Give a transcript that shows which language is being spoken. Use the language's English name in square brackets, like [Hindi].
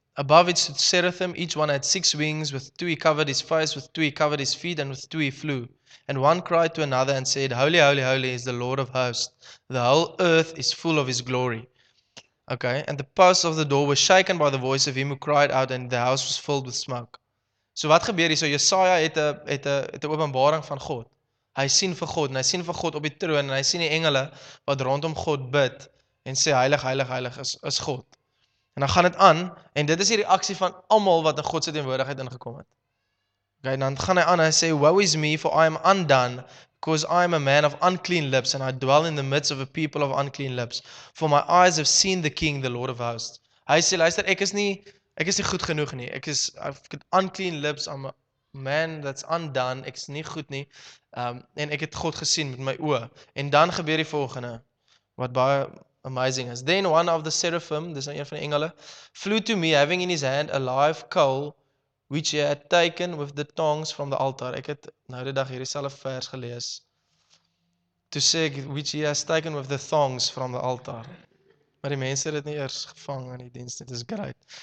[English] Above it stood seraphim, each one had six wings, with two he covered his face, with two he covered his feet, and with two he flew. And one cried to another and said, Holy, holy, holy is the Lord of hosts. The whole earth is full of his glory. Okay, and the posts of the door were shaken by the voice of him who cried out, and the house was filled with smoke. [Afrikaans] So wat gebeur hier? So Jesaja het 'n openbaring van God. Hy sien vir God en hy sien vir God op die troon en hy sien die engele wat rondom God bid en sê heilig, heilig, heilig is God. En dan gaan dit aan en dit is die reaksie van almal wat in God se teenwoordigheid ingekom het. [English] Okay, [Afrikaans] dan gaan hy aan en hy sê, [English] Woe is me, for I am undone, because I am a man of unclean lips and I dwell in the midst of a people of unclean lips. For my eyes have seen the King, the Lord of hosts. [Afrikaans] Hy sê, luister, ek is nie goed genoeg nie. [English] I've got unclean lips, I'm a man that's undone, [Afrikaans] ek is nie goed nie. En ek het God gesien met my oë. En dan gebeur die volgende, wat baie amazing is. [English] Then one of the seraphim, [Afrikaans] dis nou een van die engele, [English] flew to me, having in his hand a live coal, which he had taken with the tongs from the altar. [Afrikaans] Ek het nou die dag hierdie selfe vers gelees. [English] To say, which he has taken with the tongs from the altar. [Afrikaans] Maar die mense het dit nie eers gevang in die diens, dit is great.